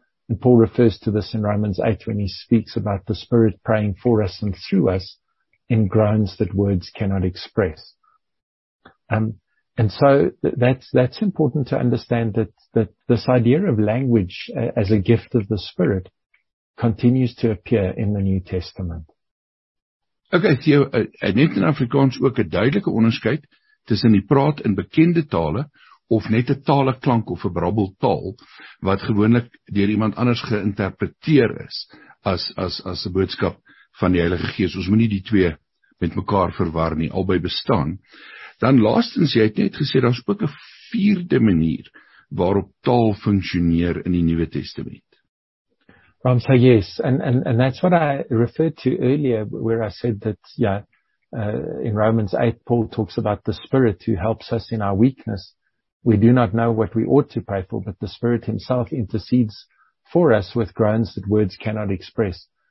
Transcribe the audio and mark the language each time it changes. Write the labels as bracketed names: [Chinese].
[English] And Paul refers to this in Romans 8 when he speaks about the Spirit praying for us and through us in groans that words cannot express. And so that's important to understand that this idea of language as a gift of the Spirit continues to appear in the New Testament. [Afrikaans] Okay, Theo, net in Afrikaans ook 'n duidelike onderskeid tussen die praat in bekende tale of net 'n tale klank of 'n brabbel taal wat gewoonlik deur iemand anders geïnterpreteer is as 'n boodskap van die Heilige Gees. Ons moenie die twee met mekaar verwar nie, albei bestaan. Dan laastens, jy het net gesê daar's ook 'n vierde manier waarop taal funksioneer in die Nuwe Testament. [English] So yes, and that's what I referred to earlier where I said that in Romans 8 Paul talks about the Spirit who helps us in our weakness. We do not know what we ought to pray for, but the Spirit himself intercedes for us with groans that words cannot express.